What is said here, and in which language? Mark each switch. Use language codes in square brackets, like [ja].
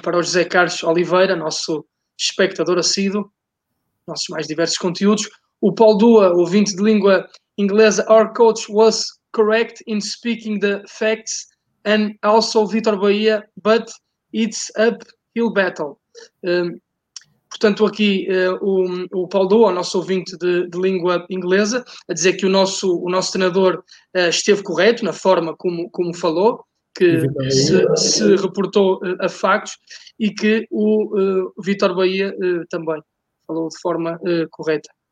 [pt] para o José Carlos Oliveira, nosso espectador assíduo, nossos mais diversos conteúdos. O Paulo Dua, ouvinte de língua inglesa, [en] our coach was correct in speaking the facts, and also Vítor Bahia, but it's uphill battle. [pt] Portanto, aqui o Paulo Dua, o nosso ouvinte de língua inglesa, a dizer que o nosso treinador esteve correto na forma como falou, que se reportou a factos, e que o Vítor Bahia também falou de forma correta.